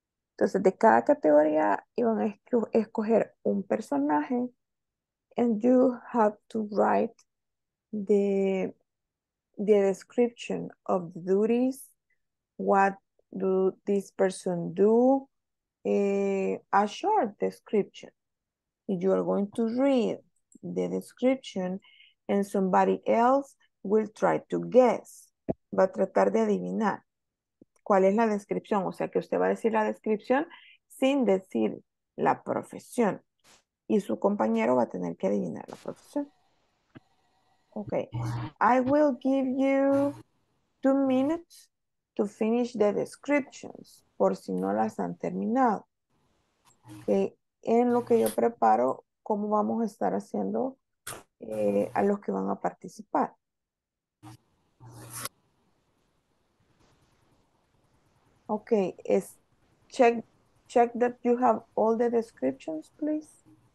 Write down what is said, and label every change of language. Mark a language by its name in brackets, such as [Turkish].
[Spanish] Entonces, de cada categoría iban a escoger un personaje. [English] And you have to write the description of the duties, what do this person do, a short description. You are going to read the description and somebody else will try to guess. [Spanish] Va a tratar de adivinar cuál es la descripción. O sea que usted va a decir la descripción sin decir la profesión. Y su compañero va a tener que adivinar la profesión. [English] Okay, I will give you 2 minutes to finish the descriptions, [Spanish] por si no las han terminado. [English] Okay. [Spanish] En lo que yo preparo, cómo vamos a estar haciendo a los que van a participar. [English] Okay, check that you have all the descriptions, please.